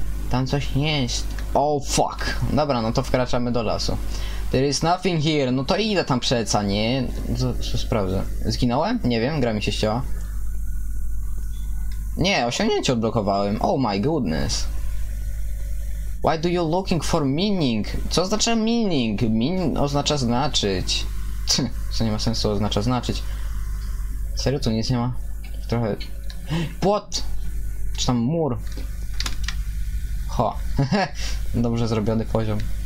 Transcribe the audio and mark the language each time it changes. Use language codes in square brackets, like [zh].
[pl] Tam coś nie jest. Oh fuck! Dobra, no to wkraczamy do lasu. [en] There is nothing here. [pl] No to idę tam przeca, nie? Co sprawdzę? Zginąłem? Nie wiem, gra mi się ścięła. Nie, osiągnięcie odblokowałem. [en] Oh my goodness. Why do you looking for meaning? [pl] Co oznacza meaning? Meaning oznacza znaczyć. Co nie ma sensu, oznacza znaczyć. Serio, tu nic nie ma? Trochę... Płot! Czy tam mur? Ho. Dobrze zrobiony poziom.